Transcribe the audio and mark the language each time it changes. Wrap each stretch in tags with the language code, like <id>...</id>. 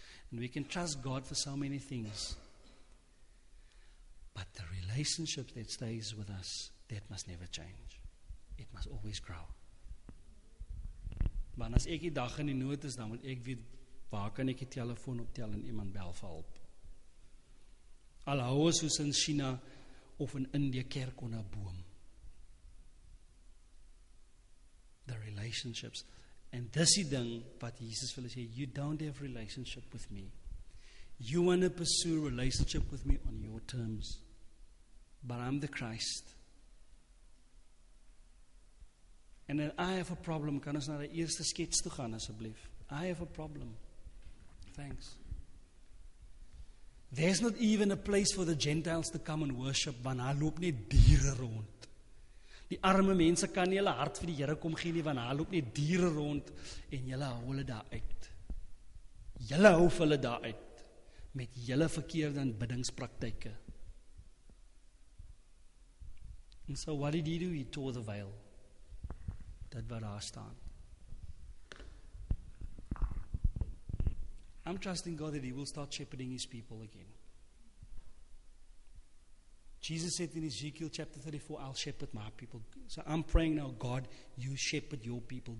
<en>And we can trust God for so many things. But the relationship that stays with us, that must never change. It must always grow.</en> <af>Maar as ek die dag in die nood is, dan moet ek weet, waar kan ek die telefoon optel en iemand bel vir help? Al hou ons soos in China of in India kerk onder boom.</af> <en>The relationships.</en> <af>En dis die ding wat Jesus wil sê,</af> <en>you don't have relationship with me. You want to pursue relationship with me on your terms. But I'm the Christ. And then I have a problem.</en> <af>Kan ons na die eerste skets toe gaan, asseblief?</af> <en>I have a problem. Thanks. There's not even a place for the Gentiles to come and worship,</en> <af>want hy loop nie diere rond. Die arme mense kan nie hulle hart vir die Here kom gee nie, want hy loop nie diere rond en julle hou hulle daar uit. Julle hou hulle daar uit met julle verkeerde biddingspraktyke.</af> <en>And so what did he do? He tore the veil.</en> <af>Dit wat daar staan.</af> <en>I'm trusting God that he will start shepherding his people again. Jesus said in Ezekiel chapter 34, I'll shepherd my people. So I'm praying now, God, you shepherd your people.</en>